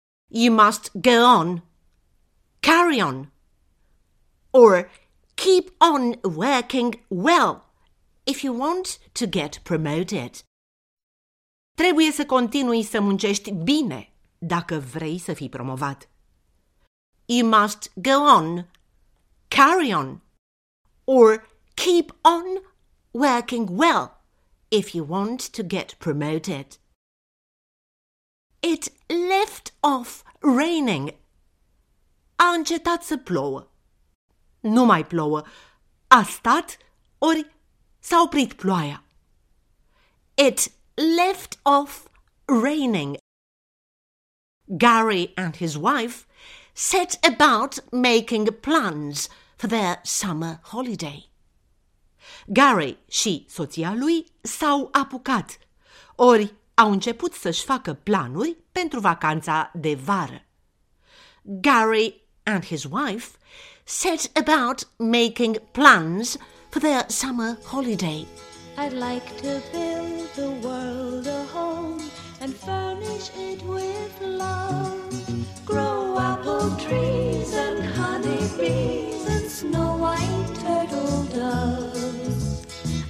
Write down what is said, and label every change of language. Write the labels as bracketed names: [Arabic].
[English] You must go on, carry on, or keep on working well if you want to get promoted. [Romanian] Trebuie să continui să muncești bine dacă vrei să fii promovat. [English] You must go on, carry on, or keep on working well if you want to get promoted. It left off raining. [Romanian] A încetat să plouă. Nu mai plouă. A stat ori s-a oprit ploaia. [English] It left off raining. Gary and his wife set about making plans for their summer holiday. [Romanian] Gary și soția lui s-au apucat, ori au început să-și facă planuri pentru vacanța de vară. [English] Gary and his wife set about making plans for their summer holiday. I'd like to build the world a home and furnish it with love. Grow apple trees and honeybees and snow white turtle doves.